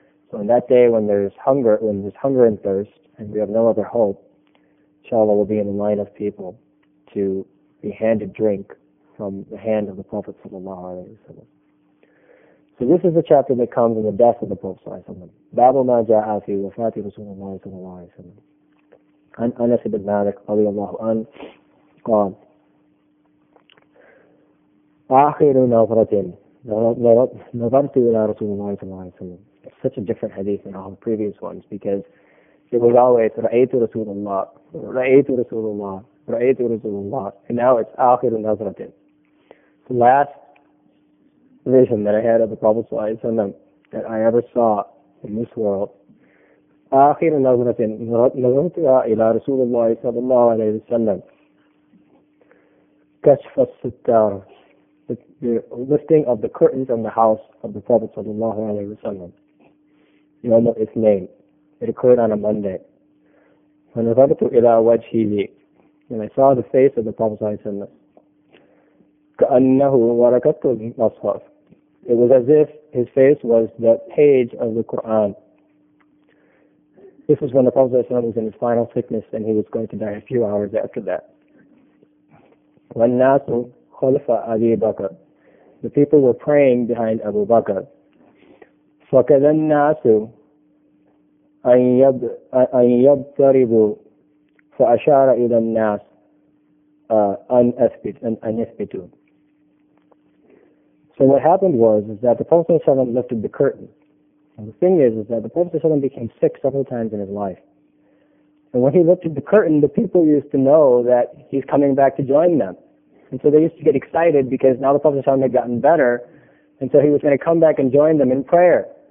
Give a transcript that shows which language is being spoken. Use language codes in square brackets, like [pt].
[en] So on that day when there's hunger and thirst and we have no other hope, inshallah will be in the line of people to be handed drink from the hand of the Prophet ﷺ. So this is the chapter that comes in the death of the Prophet ﷺ. [ar] Babu ma ja'a fi wafati Rasulullah ﷺ. An Anas ibn Malik radiyallahu anhu qala آخر نظرة نظرت إلى رسول الله صلى الله عليه وسلم. [en] It's such a different hadith than all the previous ones, because it was always [ar] رأيت رسول الله رأيت رسول الله [en] رأيت رسول الله, and now it's [ar] آخر نظرة, [en] the last vision that I had of the Prophet صلى الله عليه وسلم that I ever saw in this world. [ar] آخر نظرة نظرت إلى رسول الله صلى الله عليه وسلم كشف الستار, [en] the lifting of the curtains on the house of the Prophet sallallahu alaihi wasallam. You know its name. It occurred on a Monday. When I saw [ar] ila wajhihi, [en] and I saw the face of the Prophet sallallahu alaihi wasallam, [ar] ka'annahu warakatu al-mushaf. [en] It was as if his face was the page of the Quran. This was when the Prophet sallallahu alaihi wasallam was in his final sickness, and he was going to die a few hours after that. When [ar] nasu خلف أبي بكر, [en] the people were praying behind Abu Bakr. [ar] فكذا الناس أن يضربوا فأشار إلى الناس أن يثبتوا. [en] So what happened was is that the Prophet ﷺ lifted the curtain. And the thing is that the Prophet ﷺ became sick several times in his life. And when he lifted the curtain, the people used to know that he's coming back to join them. And so they used to get excited because now the Prophet ﷺ had gotten better, and so he was going to come back and join them in prayer.